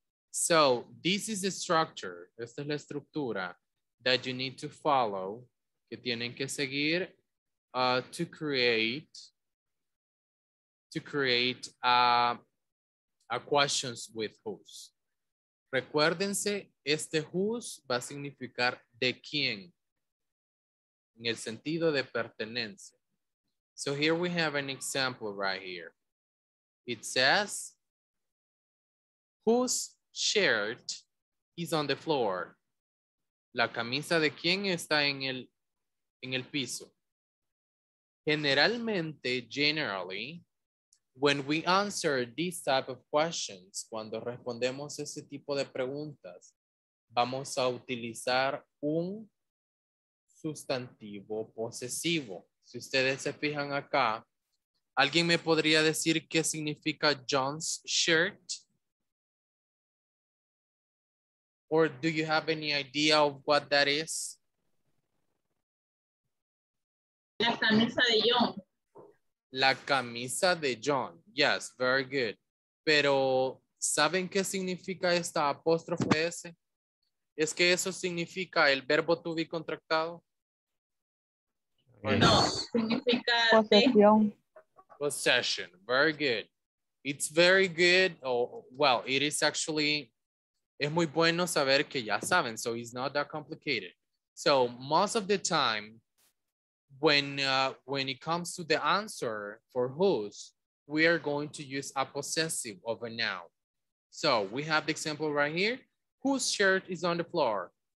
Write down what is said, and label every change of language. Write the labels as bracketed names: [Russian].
[English] So, this is the structure. [Spanish] Esta es la estructura [English] that you need to follow, [Spanish] que tienen que seguir [English] to create a questions with whose. [Spanish] Recuérdense, este whose va a significar de quién, en el sentido de pertenencia. [English] So here we have an example right here. It says, whose shirt is on the floor? [Spanish] La camisa de quién está en el piso. Generalmente, [English] generally, when we answer these type of questions, [Spanish] cuando respondemos ese tipo de preguntas, vamos a utilizar un sustantivo posesivo. Si ustedes se fijan acá, ¿alguien me podría decir qué significa John's shirt? [English] Or do you have any idea of what that is? [Spanish] La camisa de John. La camisa de John. [English] Yes, very good. [Spanish] Pero, ¿saben qué significa esta apóstrofe S? ¿Es que eso significa el verbo to be contractado? No, significa posesión. [English] Possession. Very good. It's very good. Oh, well, it is actually, [Spanish] es muy bueno saber que ya saben. [English] So, it's not that complicated. So, most of the time, when it comes to the answer for whose, we are going to use a possessive of a noun. So we have the example right here. Whose shirt is on the floor?